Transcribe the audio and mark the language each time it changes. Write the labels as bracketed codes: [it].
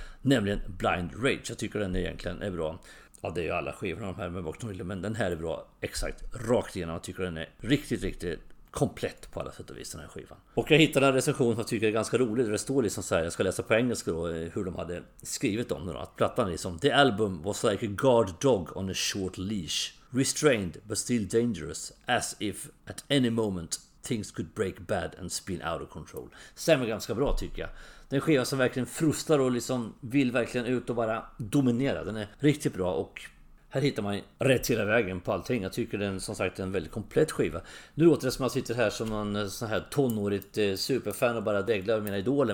[sv] Nämligen Blind Rage. Jag tycker den egentligen är bra. Ja, det är ju alla skivorna de här med Mark Tornillo, men den här är bra exakt rakt igenom. Jag tycker den är riktigt, riktigt komplett på alla sätt och vis, den här skivan. Och jag hittade en recension som jag tycker är ganska rolig. Det står liksom så här, jag ska läsa på engelska då, hur de hade skrivit om det då. Att plattan liksom, [en] the album was like a guard dog on a short leash. Restrained but still dangerous, as if at any moment things could break bad and spin out of control. [sv] Stämmer ganska bra tycker jag. Den skiva som verkligen frustrar och liksom vill verkligen ut och bara dominera. Den är riktigt bra och här hittar man rätt hela vägen på allting. Jag tycker den som sagt är en väldigt komplett skiva. Nu låter det som att man sitter här som en sån här tonårigt superfan och bara deglar mina idoler.